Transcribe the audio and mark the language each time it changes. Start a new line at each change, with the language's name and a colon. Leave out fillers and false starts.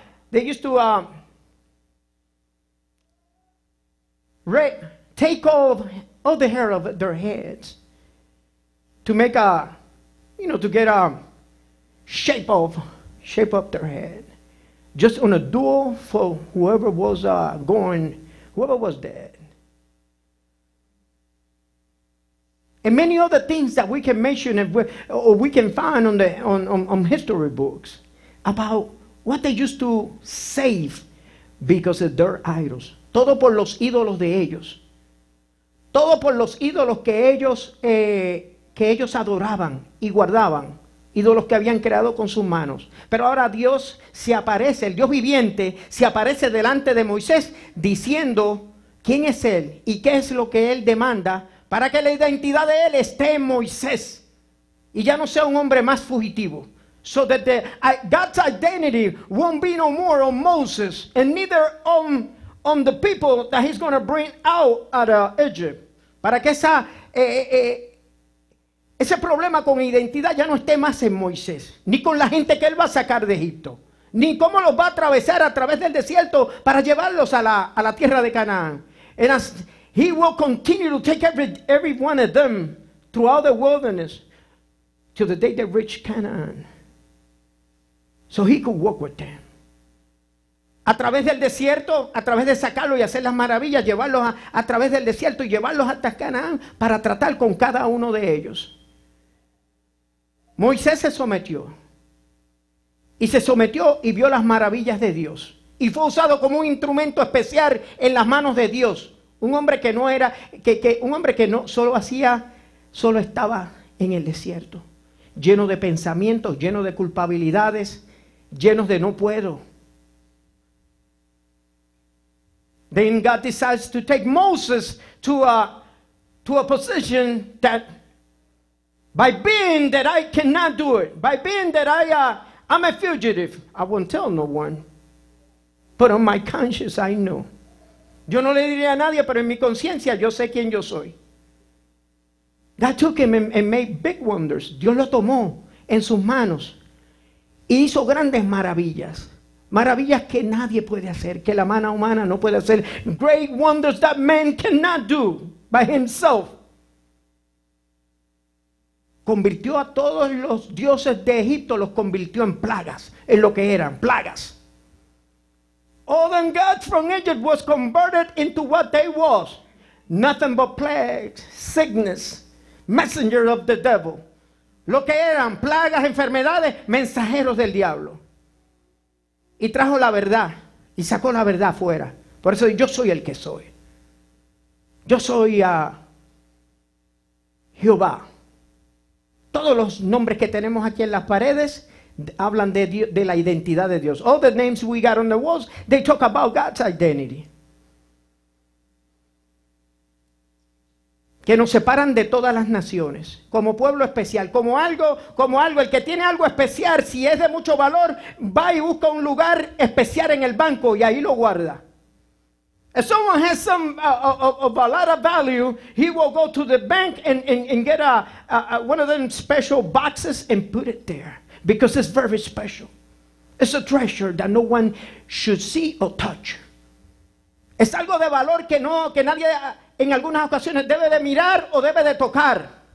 English: they used to take all the hair of their heads to make a, you know, to get a shape of their head, just on a duel for whoever was dead. And many other things that we can mention or we can find on history books about what they used to save because of their idols.
Spanish: Todo por los ídolos de ellos. Todo por los ídolos que ellos adoraban y guardaban. Ídolos que habían creado con sus manos. Pero ahora Dios se aparece, el Dios viviente, se aparece delante de Moisés diciendo quién es él y qué es lo que él demanda para que la identidad de él esté en Moisés y ya no sea un hombre más fugitivo.
English: So that God's identity won't be no more on Moses and neither on the people that he's going to bring out of Egypt.
Spanish: Para que ese problema con identidad ya no esté más en Moisés, ni con la gente que él va a sacar de Egipto, ni cómo los va a atravesar a través del desierto para llevarlos a la tierra de Canaán.
English: And as he will continue to take every one of them throughout the wilderness till the day they reach Canaan, so he could walk with them.
Spanish: A través del desierto, a través de sacarlos y hacer las maravillas, llevarlos a través del desierto y llevarlos hasta Canaán para tratar con cada uno de ellos. Moisés se sometió. Y se sometió y vio las maravillas de Dios. Y fue usado como un instrumento especial en las manos de Dios. Un hombre que no era, un hombre que no solo hacía, solo estaba en el desierto. Lleno de pensamientos, lleno de culpabilidades, llenos de no puedo.
English: Then God decides to take Moses to a position that by being that I cannot do it, by being that I'm a fugitive, I won't tell no one. But on my conscience I know.
Spanish: Yo no le diré a nadie, pero en mi conciencia yo sé quién yo soy.
English: God took him and made big wonders.
Spanish: Dios lo tomó en sus manos. Y hizo grandes maravillas. Maravillas que nadie puede hacer, que la mano humana no puede hacer.
English: Great wonders that man cannot do by himself.
Spanish: Convirtió a todos los dioses de Egipto, los convirtió en plagas, en lo que eran, plagas.
English: All the gods from Egypt was converted into what they was. Nothing but plagues, sickness, messenger of the devil.
Spanish: Lo que eran, plagas, enfermedades, mensajeros del diablo. Y trajo la verdad, y sacó la verdad afuera. Por eso yo soy el que soy. Yo soy Jehová. Todos los nombres que tenemos aquí en las paredes hablan de la identidad de Dios.
English: All the names we got on the walls, they talk about God's identity.
Spanish: Que nos separan de todas las naciones, como pueblo especial, como algo, el que tiene algo especial, si es de mucho valor, va y busca un lugar especial en el banco y ahí lo guarda.
English: If someone has a lot of value, he will go to the bank and get one of them special boxes and put it there, because it's very special. It's a treasure that no one should see or touch.
Spanish: Es algo de valor que nadie en algunas ocasiones debe de mirar o debe de tocar.